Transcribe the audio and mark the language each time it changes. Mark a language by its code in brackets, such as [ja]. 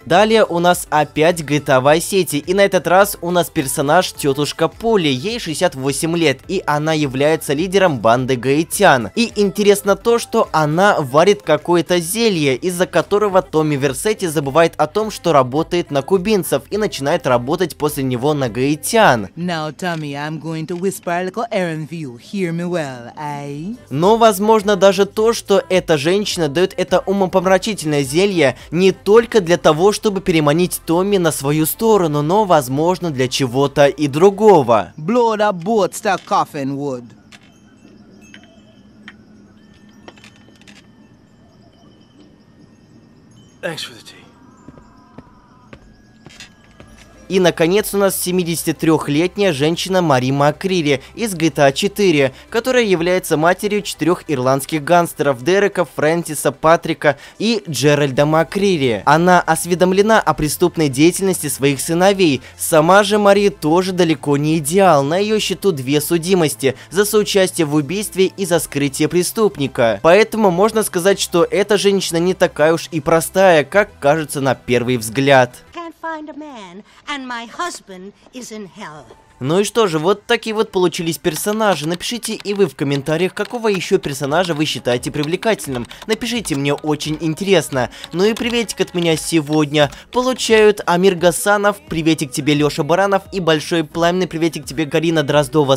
[ru] Далее у нас опять GTA Vice City, и на этот раз у нас персонаж тетушка Полли, ей 68 лет, и она является лидером банды гаитян. И интересно то, что она варит какое-то зелье, из-за которого Томми Версетти забывает о том, что работает на кубинцев, и начинает работать после него на гаитян. [en] Now, Tommy, I'm going to whisper a little errand for you. Hear me well, aye? [ru] Но возможно даже то, что эта женщина дает это умопомрачительное зелье не только для того, чтобы переманить Томми на свою сторону, но возможно для чего-то и другого. [en] Blow the boats to Coffinwood. Thanks for the tea. [ru] И наконец у нас 73-летняя женщина Мари МакКрири из GTA 4, которая является матерью 4 ирландских гангстеров Дерека, Фрэнсиса, Патрика и Джеральда МакКрири. Она осведомлена о преступной деятельности своих сыновей. Сама же Мари тоже далеко не идеал. На ее счету 2 судимости за соучастие в убийстве и за скрытие преступника. Поэтому можно сказать, что эта женщина не такая уж и простая, как кажется на первый взгляд. [en] Find a man, and my husband is in hell. [ru] Ну и что же, вот такие вот получились персонажи. Напишите и вы в комментариях, какого еще персонажа вы считаете привлекательным. Напишите, мне очень интересно. Ну и приветик от меня сегодня получают Амир Гасанов, приветик тебе, Леша Баранов, и большой пламенный приветик тебе, Галина Дроздова.